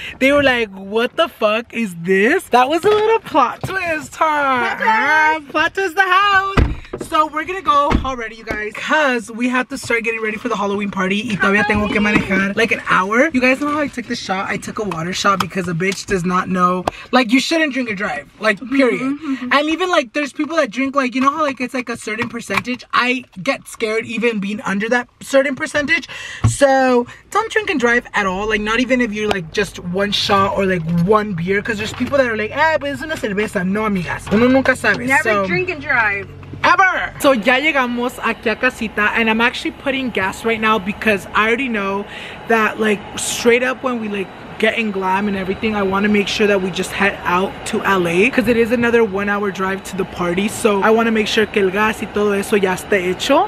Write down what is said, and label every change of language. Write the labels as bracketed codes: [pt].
[en] They were like, what the fuck is this? That was a little plot twist, huh? Plot twist the house! So we're gonna go already, you guys, because we have to start getting ready for the Halloween party. [es] Y todavía tengo que manejar [en] like an hour. You guys know how I took the shot? I took a water shot because a bitch does not know. Like, you shouldn't drink or drive. Like, period. Mm-hmm. And even like, there's people that drink, like, you know how like it's like a certain percentage? I get scared even being under that certain percentage. So don't drink and drive at all. Like, not even if you're like just one shot or like one beer. Because there's people that are like, [es] eh, pues es una cerveza. No, amigas. Uno nunca sabe. [en] Never so, drink and drive. Ever. So [es] ya llegamos aquí a casita [en] and I'm actually putting gas right now because I already know that like straight up when we like getting glam and everything, I want to make sure that we just head out to LA, because it is another 1 hour drive to the party. So I want to make sure [es] que el gas y todo eso ya está hecho.